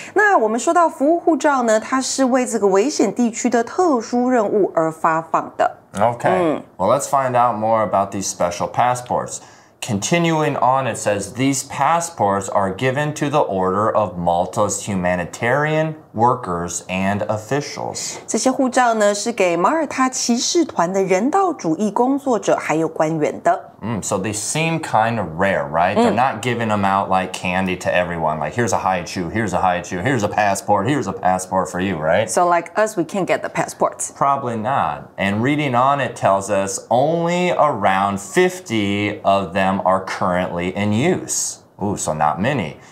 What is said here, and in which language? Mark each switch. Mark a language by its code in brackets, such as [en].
[zh] 那我们说到服务护照呢，它是为这个危险地区的特殊任务而发放的。 [en] Okay, well, let's find out more about these special passports. Continuing on, it says, these passports are given to the Order of Malta's humanitarian workers and officials. [zh] 这些护照呢是给马耳他骑士团的人道主义工作者还有官员的。 [en] So they seem kind of rare, right? They're not giving them out like candy to everyone. Like, here's a haichu, here's a haichu, here's a passport for you, right? So like us, we can't get the passports. Probably not. And reading on, it tells us only around 50 of them are currently in use. Ooh, so not many.